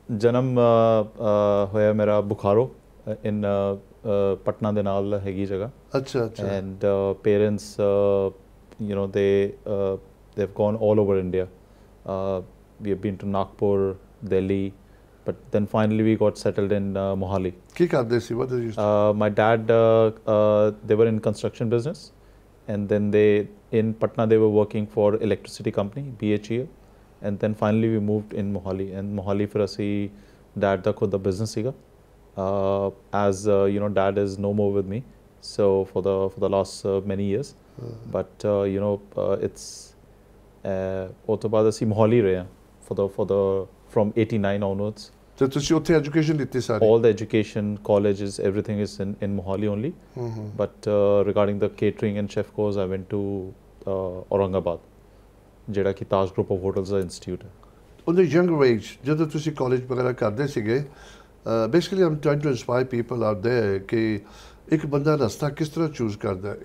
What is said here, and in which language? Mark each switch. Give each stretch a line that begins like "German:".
Punjabi: ਜਨਮ ਹੋਇਆ ਮੇਰਾ ਬੁਖਾਰੋ ਇਨ ਪਟਨਾ ਦੇ ਨਾਲ ਹੈਗੀ ਜਗ੍ਹਾ। ਅੱਛਾ ਅੱਛਾ।
English: And parents you know they have gone all over India, we have been to Nagpur, Delhi, but then finally we got settled in Mohali.
Punjabi: Ki karde si,
English: what did you my dad they were in construction business, and then they in Patna they were working for electricity company BHEL, and then finally we moved in Mohali. And Mohali for us, he
Punjabi: dad da khud the business siga,
English: as you know dad is no more with me, so for the last many years. Mm-hmm. But you know it's otobada si Mohali reha for the from 89 onwards.
Punjabi: ਤੇ ਤੁਸੀਂ ਉੱਥੇ education ਦਿੱਤੀ sir?
English: all the education, colleges, everything is in Mohali only, but regarding the catering and chef course I went to Aurangabad,
Punjabi: ਜਿਹੜਾ ਕਿ ਤਾਜ group of hotels ਦਾ institute ਹੈ। ਉਹਦੇ young age ਜਦੋਂ ਤੁਸੀਂ ਕਾਲਜ ਵਗੈਰਾ ਕਰਦੇ ਸੀਗੇ,
English: basically I am trying to inspire people out there
Punjabi: ਕਿ ਇੱਕ ਬੰਦਾ ਰਸਤਾ ਕਿਸ ਤਰ੍ਹਾਂ ਚੂਜ਼ ਕਰਦਾ।